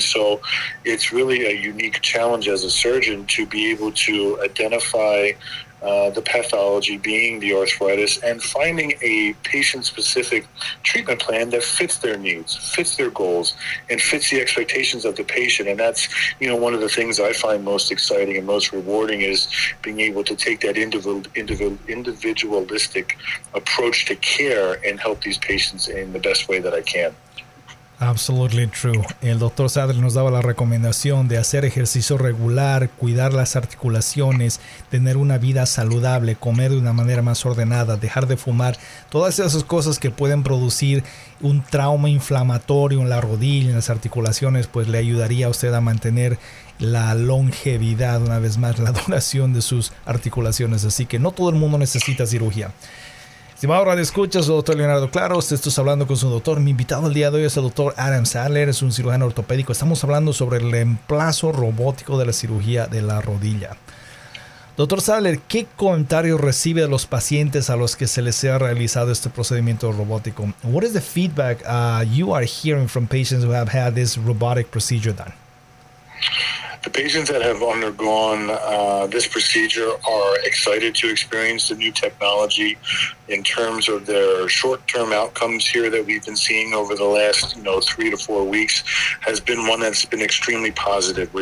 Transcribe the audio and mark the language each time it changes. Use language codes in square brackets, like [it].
[en] So it's really a unique challenge as a surgeon to be able to identify the pathology being the arthritis and finding a patient-specific treatment plan that fits their needs, fits their goals, and fits the expectations of the patient. And that's, you know, one of the things I find most exciting and most rewarding is being able to take that individualistic approach to care and help these patients in the best way that I can. Absolutely true. [es] El doctor Sadler nos daba la recomendación de hacer ejercicio regular, cuidar las articulaciones, tener una vida saludable, comer de una manera más ordenada, dejar de fumar, todas esas cosas que pueden producir un trauma inflamatorio en la rodilla, en las articulaciones, pues le ayudaría a usted a mantener la longevidad, una vez más, la duración de sus articulaciones. Así que no todo el mundo necesita cirugía. Estimado Radio Escucha, soy el doctor Leonardo Claros, estoy hablando con su doctor. Mi invitado el día de hoy es el doctor Adam Sadler, es un cirujano ortopédico. Estamos hablando sobre el reemplazo robótico de la cirugía de la rodilla. Doctor Sadler, ¿qué comentario recibe de los pacientes a los que se les ha realizado este procedimiento robótico? [en] What is the feedback you are hearing from patients who have had this robotic procedure done? The patients that have undergone this procedure are excited to experience the new technology in terms of their short-term outcomes here that we've been seeing over the last, 3 to 4 weeks has been one that's been extremely positive.